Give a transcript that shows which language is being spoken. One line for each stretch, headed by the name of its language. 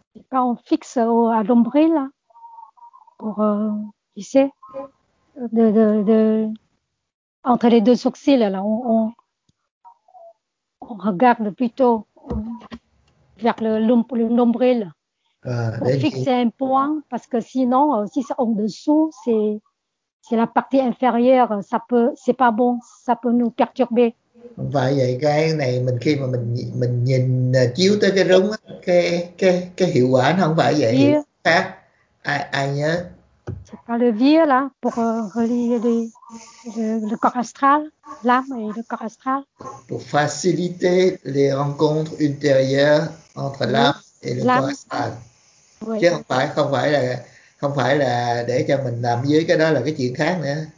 French: Quand on fixe à l'ombril là pour tu sais de entre les deux sourcils là on regarde plutôt vers le nombril pour fixer un point parce que sinon si c'est en dessous c'est la partie inférieure ça peut c'est pas bon ça peut nous perturber.
Vietnamese: Không phải vậy, cái này mình khi mà mình nhìn chiếu tới cái rúng á, cái hiệu quả nó không phải vậy, khác. Ai nhớ?
French: C'est pas le vieux là pour relier le corps astral, l'âme et le corps astral. Pour faciliter les rencontres intérieures entre l'âme et le corps astral. Oui.
Vietnamese: Chứ không phải là để cho mình làm dưới cái đó là cái chuyện khác nữa.